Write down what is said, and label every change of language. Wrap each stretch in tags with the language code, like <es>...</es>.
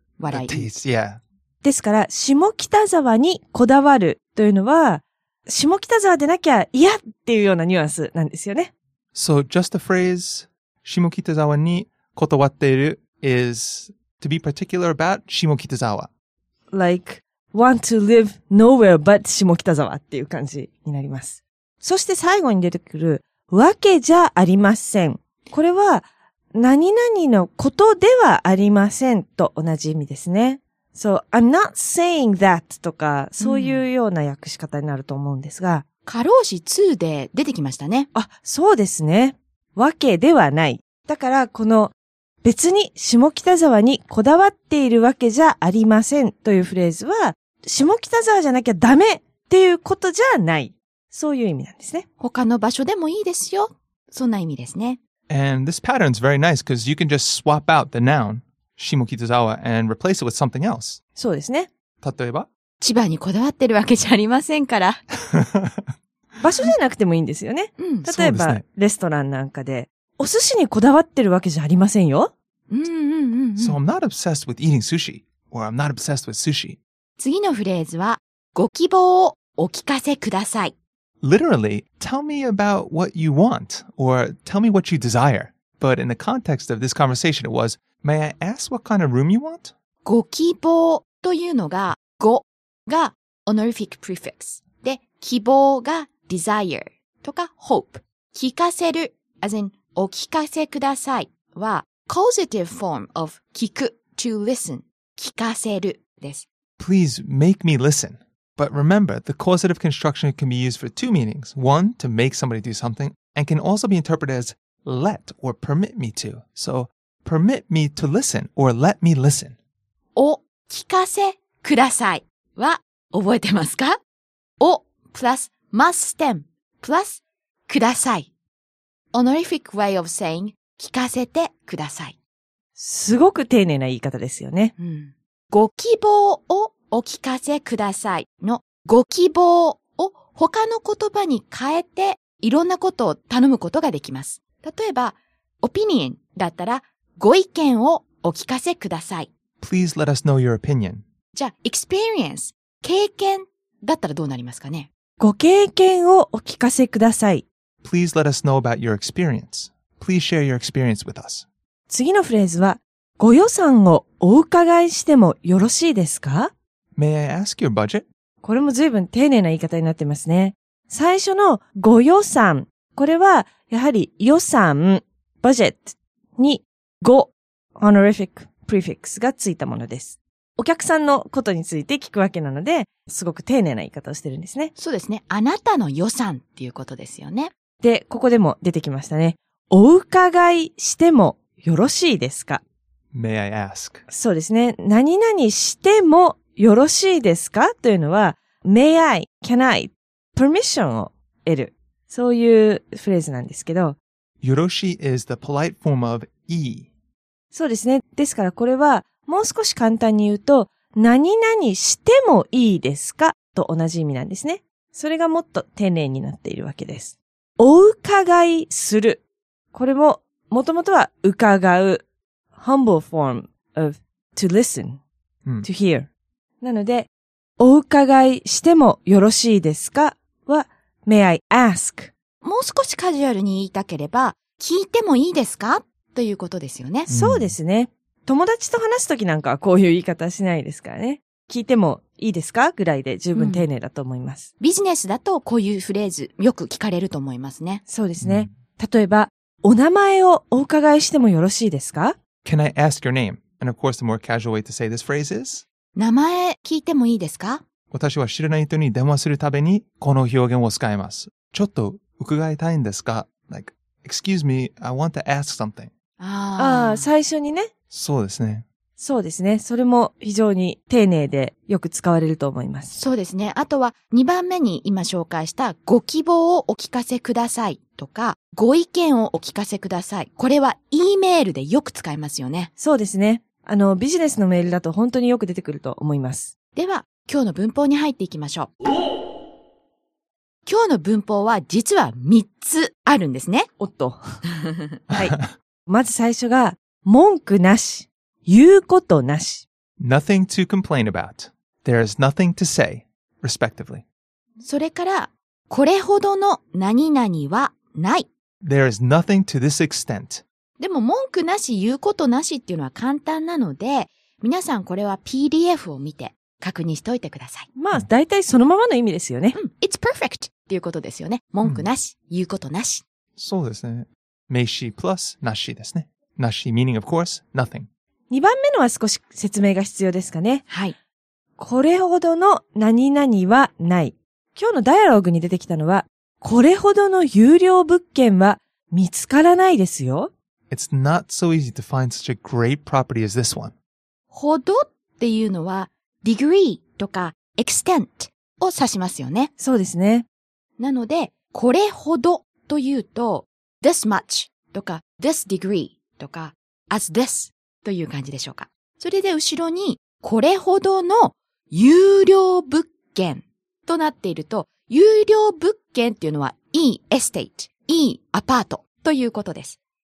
<en>what the taste. Yeah.</en> <ja>ですから、下北沢にこだわるというのは、下北沢でなきゃ嫌っていうようなニュアンスなんですよね。</ja> <en>So just the phrase,</en> <ja>下北沢にこだわっている</ja> <en>is to be particular about 下北沢。 Like, want to live nowhere but</en> <ja>下北沢っていう感じになります。そして最後に出てくる、わけじゃありません。これは、何々のことではありませんと同じ意味ですね。</ja> <en>So, I'm not saying that</en> <ja>とか、そういうような訳し方になると思うんですが。過労死2で出てきましたね。あ、そうですね。わけではない。だから、この、別に下北沢にこだわっているわけじゃありませんというフレーズは、下北沢じゃなきゃダメっていうことじゃない。そういう意味なんですね。他の場所でもいいですよ。そんな意味ですね。</ja> <en>And this pattern is very nice because you can just swap out the noun. 下北沢 and replace it with something else.</en> <ja>そうですね。例えば千葉にこだわってるわけじゃありませんから。場所じゃなくてもいいんですよね。うん、例えば、ね、レストランなんかで、お寿司にこだわってるわけじゃありませんよ。うんうんうんうん、</ja> <en>So I'm not obsessed with eating sushi, or I'm not obsessed with sushi.</en> <ja>次のフレーズは、ご希望をお聞かせください。</ja> <en>Literally, tell me about what you want, or tell me what you desire. But in the context of this conversation, it was,May I ask what kind of room you want?</en> <ja>ご希望というのが、ごが honorific prefix。で、希望が desire とか hope。</ja> <en>聞かせる、as in お聞かせくださいは、causative form of 聞く to listen。</en> <ja>聞かせるです。</ja> <en>Please make me listen. But remember, the causative construction can be used for two meanings. One, to make somebody do something, and can also be interpreted as let or permit me to. So,Permit me to listen or let me listen.</en> <ja>お聞かせくださいは覚えてますか?</ja> <en>お plus must stem plus ください。 Honorific way of saying 聞かせてください。</en> <ja>すごく丁寧な言い方ですよね。うん、ご希望をお聞かせくださいのご希望を他の言葉に変えていろんなことを頼むことができます。例えば、opinion だったらご意見をお聞かせください。</ja> <en>Please let us know your opinion.</en> <ja>じゃあ、experience、経験だったらどうなりますかね? ご経験をお聞かせください。</ja> <en>Please let us know about your experience. Please share your experience with us.</en> <ja>次のフレーズは、ご予算をお伺いしてもよろしいですか?</ja> <en>May I ask your budget?</en> <ja>これも随分丁寧な言い方になってますね。最初のご予算、これはやはり予算、budget に、ご、honorific prefix がついたものです。お客さんのことについて聞くわけなので、すごく丁寧な言い方をしてるんですね。そうですね。あなたの予算っていうことですよね。で、ここでも出てきましたね。お伺いしてもよろしいですか?</ja> <en>May I ask?</en> <ja>そうですね。何々してもよろしいですか? というのは、</ja> <en>May I, can I,</en> <ja>permission を得る。そういうフレーズなんですけど。</ja> <en>よろしい is the polite form ofE.</en> <ja>そうですね。ですからこれはもう少し簡単に言うと何々してもいいですかと同じ意味なんですね。それがもっと丁寧になっているわけです。お伺いする。これももともとは伺う。</ja> <en>Humble form of to listen,、うん、to hear.</en> <ja>なのでお伺いしてもよろしいですかは</ja> <en>May I ask?</en> <ja>もう少しカジュアルに言いたければ聞いてもいいですかということですよね、うん。そうですね。友達と話すときなんかはこういう言い方しないですからね。聞いてもいいですかぐらいで十分丁寧だと思います、うん。ビジネスだとこういうフレーズよく聞かれると思いますね。そうですね。うん、例えば、お名前をお伺いしてもよろしいですか</ja> <en>?Can I ask your name? And of course the more casual way to say this phrase is?</en> <ja>名前聞いてもいいですか私は知らない人に電話するたびにこの表現を使います。ちょっと伺いたいんですか</ja> <en>?Like, excuse me, I want to ask something.</en> <ja>ああ、最初にね。そうですね。そうですね。それも非常に丁寧でよく使われると思います。そうですね。あとは2番目に今紹介したご希望をお聞かせくださいとかご意見をお聞かせください。これは E メールでよく使いますよね。そうですね。ビジネスのメールだと本当によく出てくると思います。では、今日の文法に入っていきましょう。今日の文法は実は3つあるんですね。おっと。はい。まず最初が、文句なし、言うことなし。</ja> <en>Nothing to complain about. There is nothing to say, respectively.</en> <ja>それから、これほどの何々はない。</ja> <en>There is nothing to this extent.</en> <ja>でも文句なし、言うことなしっていうのは簡単なので、皆さんこれは PDF を見て確認しておいてください。まあ、だいたいそのままの意味ですよね。うん、</ja> <en>It's perfect</en> <ja>っていうことですよね。文句なし、言うことなし。そうですね。名詞プラスなしですね。なし、meaning of course, nothing. 2番目のは少し説明が必要ですかね。はい。これほどの何々はない。今日のダイアログに出てきたのは、これほどの有料物件は見つからないですよ。</ja> <en>It's not so easy to find such a great property as this one.</en> <ja>ほどっていうのは、degree とか extent を指しますよね。そうですね。なので、これほどというと、this much とか、this degree とか、as this という感じでしょうか。それで後ろに、これほどの有料物件となっていると、有料物件っていうのは、e estate, e アパートということです。</ja>